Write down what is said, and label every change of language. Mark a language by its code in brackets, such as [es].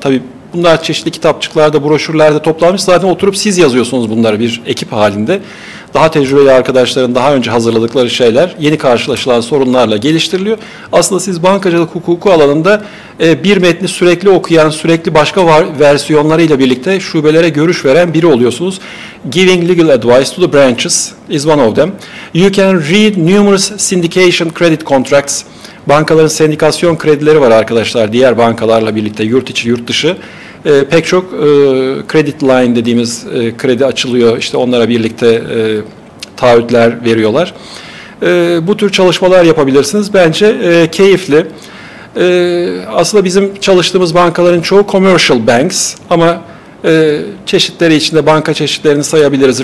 [tr] Tabii bunlar çeşitli kitapçıklarda, broşürlerde toplanmış. Zaten oturup siz yazıyorsunuz bunları bir ekip halinde. Daha tecrübeli arkadaşların daha önce hazırladıkları şeyler, yeni karşılaşılan sorunlarla geliştiriliyor. Aslında siz bankacılık hukuku alanında bir metni sürekli okuyan, sürekli başka versiyonlarıyla birlikte şubelere görüş veren biri oluyorsunuz. [en] Giving legal advice to the branches is one of them. You can read numerous syndication credit contracts. [tr] Bankaların sendikasyon kredileri var arkadaşlar, diğer bankalarla birlikte yurt içi yurt dışı. Pek çok credit line dediğimiz kredi açılıyor, işte onlara birlikte taahhütler veriyorlar. Bu tür çalışmalar yapabilirsiniz, bence keyifli. Aslında bizim çalıştığımız bankaların çoğu commercial banks ama çeşitleri içinde banka çeşitlerini sayabiliriz.